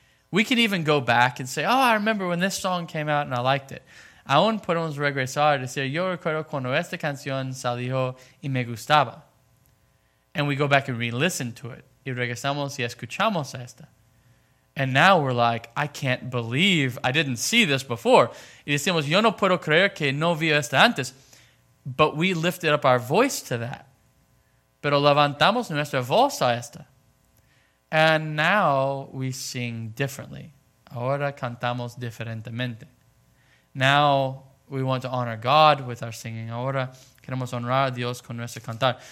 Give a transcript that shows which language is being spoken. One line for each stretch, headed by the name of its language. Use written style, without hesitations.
English: We can even go back and say, oh, I remember when this song came out and I liked it.
Spanish: Aún podemos regresar y decir, yo recuerdo cuando esta canción salió y me gustaba.
English: And we go back and re-listen to it.
Spanish: Y regresamos y escuchamos a esta.
English: And now we're like, I can't believe I didn't see this before.
Spanish: Y decimos, yo no puedo creer que no vi esta antes.
English: But we lifted up our voice to that.
Spanish: Pero levantamos nuestra voz a esta.
English: And now we sing differently.
Spanish: Ahora cantamos diferentemente.
English: Now we want to honor God with our singing.
Spanish: Ahora queremos honrar a Dios con nuestro cantar.